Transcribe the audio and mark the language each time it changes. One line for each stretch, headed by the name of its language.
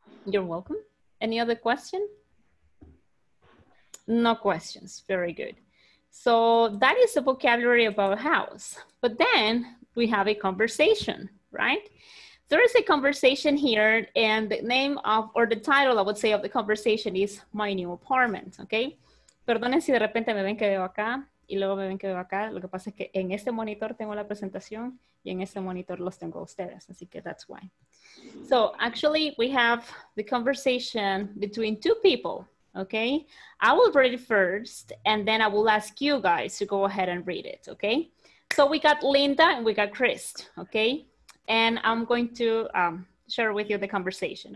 English: You're welcome. Any other question? No questions, very good. So that is the vocabulary about house, but then we have a conversation, right? There is a conversation here, and the name of, or the title I would say of the conversation is My New Apartment, okay?
Spanish: Perdonen si de repente me ven que veo acá. Y luego me ven que veo acá. Lo que pasa es que en este monitor tengo la presentación y en este monitor los tengo a ustedes. Así que
English: that's why. So actually we have the conversation between two people. Okay. I will read it first and then I will ask you guys to go ahead and read it. Okay. So we got Linda and we got Chris. Okay. And I'm going to share with you the conversation.